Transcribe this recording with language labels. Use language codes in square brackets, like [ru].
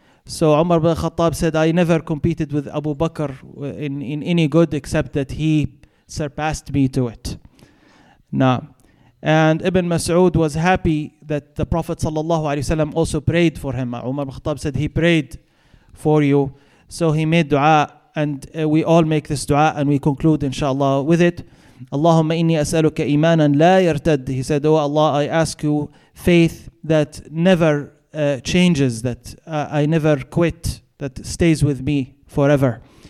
[en] So Umar bin Khattab said, I never competed with Abu Bakr in any good except that he surpassed me to it. Nah. And Ibn Mas'ud was happy that the Prophet sallallahu alayhi wasallam also prayed for him. Umar bin Khattab said, he prayed for you. So he made dua and we all make this dua and we conclude inshallah with it. [ar] اللهم إني أسألك إيمانا لا يرتد. [en] He said, oh Allah, I ask you faith that never changes, that I never quit, that stays with me forever.